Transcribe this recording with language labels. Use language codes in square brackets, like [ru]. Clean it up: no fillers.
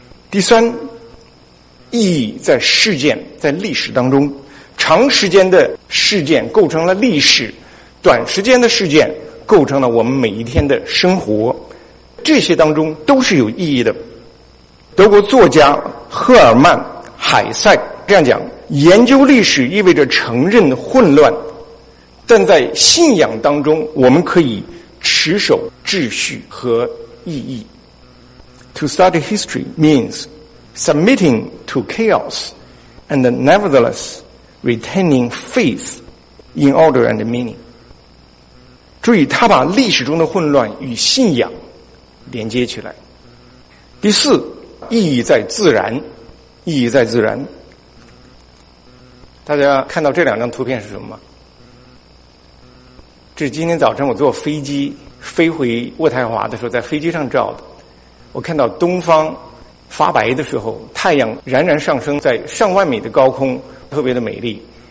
[zh] 第三，意义在事件，在历史当中，长时间的事件构成了历史，短时间的事件构成了我们每一天的生活，这些当中都是有意义的。德国作家赫尔曼·海塞这样讲，研究历史意味着承认混乱，但在信仰当中我们可以持守秩序和意义。 [en] To study history means submitting to chaos and nevertheless retaining faith in order and meaning。 [zh] 注意，他把历史中的混乱与信仰连接起来。第四，意义在自然，意义在自然。大家看到这两张图片是什么吗？这是今天早晨我坐飞机飞回渥太华的时候在飞机上照的，我看到东方发白的时候，太阳冉冉上升在上万米的高空，特别的美丽。